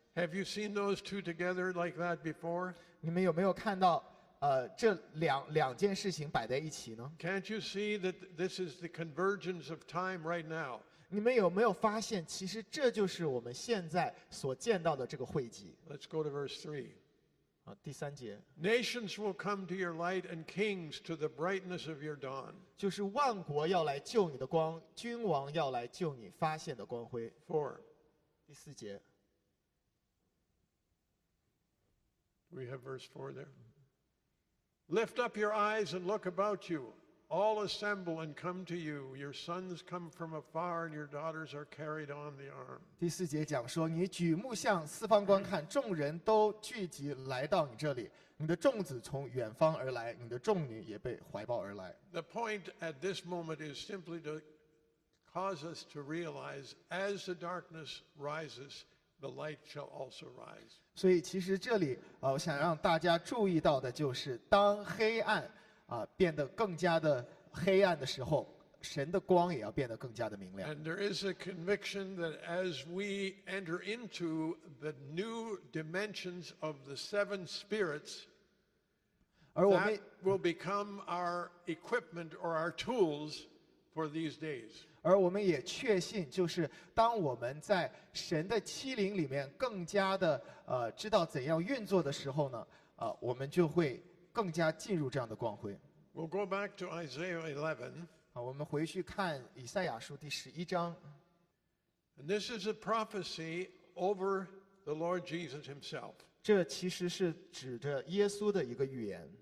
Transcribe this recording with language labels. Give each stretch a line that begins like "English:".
English: Have you seen those two together like that before?
Chinese: 你们有没有看到这两件事情摆在一起呢？
English: Can't you see that this is the convergence of time right now?
Chinese: 你们有没有发现其实这就是我们现在所见到的这个汇集。
English: Let's go to verse 3.
Chinese: 第三节。
English: Nations will come to your light and kings to the brightness of your dawn.
Chinese: 就是万国要来救你的光，君王要来救你发现的光辉。
English: Four.
Chinese: 第四节。
English: We have verse four there. Lift up your eyes and look about you. All assemble and come to you. Your sons come from afar and your daughters are carried on the arm.
Chinese: 第四节讲说，你举目向四方观看，众人都聚集来到你这里，你的众子从远方而来，你的众女也被怀抱而来。
English: The point at this moment is simply to cause us to realize as the darkness rises, the light shall also rise.
Chinese: 所以其实这里我想让大家注意到的就是，当黑暗变得更加的黑暗的时候，神的光也要变得更加的明亮。
English: And there is a conviction that as we enter into the new dimensions of the seven spirits, that will become our equipment or our tools for these days.
Chinese: 而我们也确信，就是当我们在神的七灵里面更加的知道怎样运作的时候呢，我们就会更加进入这样的光辉。
English: We'll go back to Isaiah 11.
Chinese: 好，我们回去看以赛亚书第十一章。
English: And this is a prophecy over the Lord Jesus Himself.
Chinese: 这其实是指着耶稣的一个预言。